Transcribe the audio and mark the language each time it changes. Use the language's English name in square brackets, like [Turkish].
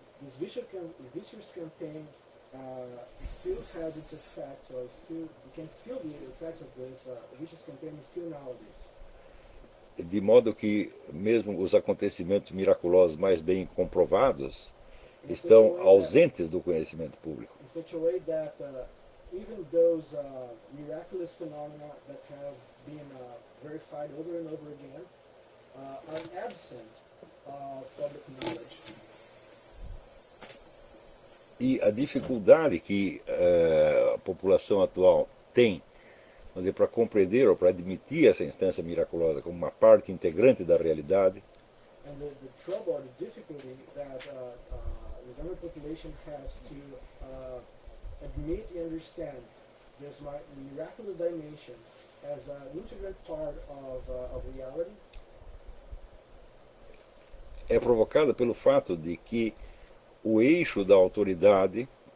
[English] This vicious campaign still has its effects, or still you can feel the effects of this vicious campaign still nowadays. [Portuguese] De modo que mesmo os acontecimentos miraculosos mais bem comprovados estão ausentes do conhecimento público. [English] In such a way that even those miraculous phenomena that have been verified over and over again are absent of public knowledge. [Portuguese] E a dificuldade que a população atual tem, vamos dizer, para compreender ou para admitir essa instância miraculosa como uma parte integrante da realidade. [English] And the trouble or the difficulty that the general population has to admit and understand this miraculous dimension as an integral part of reality [Portuguese] é provocada pelo fato de que o eixo da autoridade